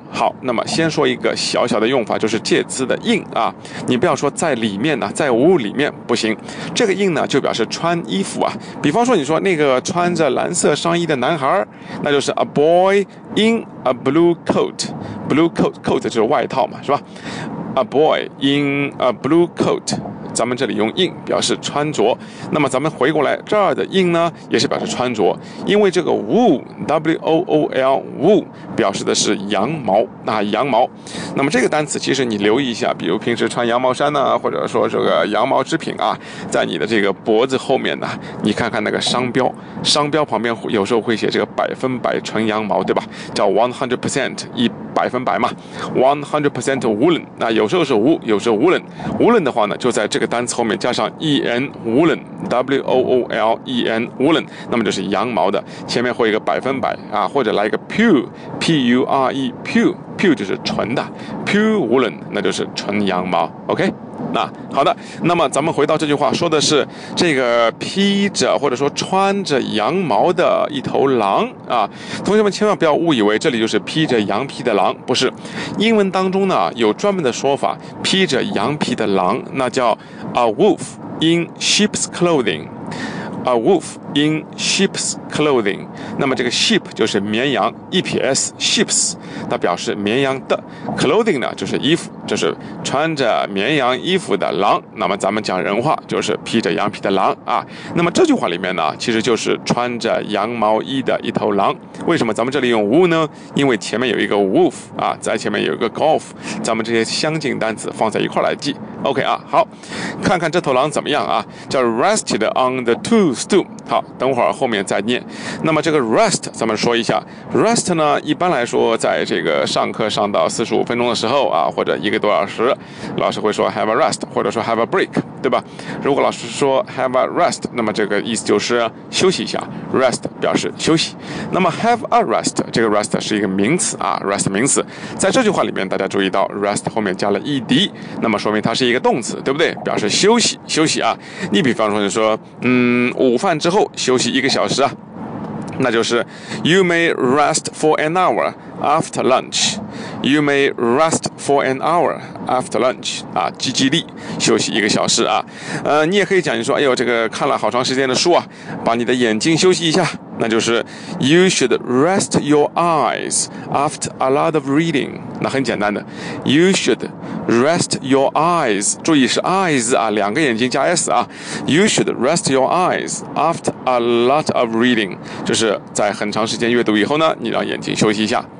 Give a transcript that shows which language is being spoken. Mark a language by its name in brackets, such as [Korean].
[Chinese] 好，那么先说一个小小的用法，就是介词的 in 啊，你不要说在里面呢、啊，在 wool 里面不行，这个 in 呢就表示穿衣服啊，比方说你说那个穿着蓝色上衣的男孩，那就是 a boy in a blue coat, blue coat, coat 就是外套嘛，是吧？ [English] a boy in a blue coat, [Chinese] 咱们这里用 in 表示穿着。那么咱们回过来这儿的 in 呢也是表示穿着，因为这个 wool, W-O-O-L, wool 表示的是羊毛，那、啊、羊毛。那么这个单词其实你留意一下，比如平时穿羊毛衫呢、啊、或者说这个羊毛制品啊，在你的这个脖子后面呢，你看看那个商标，商标旁边有时候会写这个百分百纯羊毛，对吧？叫 100% 一百分百嘛， 100% woolen, 那有时候是 wool, 有时候 woolen, woolen 的话呢就在这个单词后面加上 en, woolen, w-o-o-l-e-n, woolen, 那么就是羊毛的，前面会一个百分百啊，或者来一个 pure, p-u-r-e, pure, pure 就是纯的， [English] pure woolen, [Chinese] 那就是纯羊毛。 OK,那好的，那么咱们回到这句话，说的是这个披着或者说穿着羊毛的一头狼啊。同学们千万不要误以为这里就是披着羊皮的狼，不是。英文当中呢有专门的说法，披着羊皮的狼，那叫 [English] a wolf in sheep's clothing, [Chinese] a wolf in sheep's clothing。那么这个 sheep 就是绵羊 EPS sheep's, 那表示绵羊的 clothing 呢就是衣服，就是穿着绵羊衣服的狼，那么咱们讲人话就是披着羊皮的狼啊。那么这句话里面呢其实就是穿着羊毛衣的一头狼。为什么咱们这里用 wool 呢？因为前面有一个 wolf 啊，在前面有一个 golf, 咱们这些相近单词放在一块来记。 OK 啊，好，看看这头狼怎么样啊，叫 [English] rested on the toothstool。 [Chinese] 好，等会儿后面再念。那么这个 rest 咱们说一下， rest 呢一般来说在这个上课上到45分钟的时候啊，或者一个多小时，老师会说 [English] have a rest [Chinese] 或者说 [English] have a break， [Chinese] 对吧？如果老师说 [English] have a rest， [Chinese] 那么这个意思就是休息一下， rest 表示休息。那么 [English] have a rest， [Chinese] 这个 rest 是一个名词啊， rest 名词，在这句话里面大家注意到 rest 后面加了 ed， 那么说明它是一个动词，对不对？表示休息，休息啊。你比方说你说午饭之后休息一个小时啊，那就是 [English] you may rest for an hour after lunch， [Chinese] you may rest for an hour after lunch 啊，积极力，休息一个小时啊。你也可以讲，你说哎呦这个看了好长时间的书啊，把你的眼睛休息一下，那就是 [English] you should rest your eyes after a lot of reading， [Chinese] 那很简单的 [English] you should rest your eyes， [Chinese] 注意是 eyes 啊，两个眼睛加 s 啊， you should rest your eyes after a lot of reading， 就是在很长时间阅读以后呢，你让眼睛休息一下。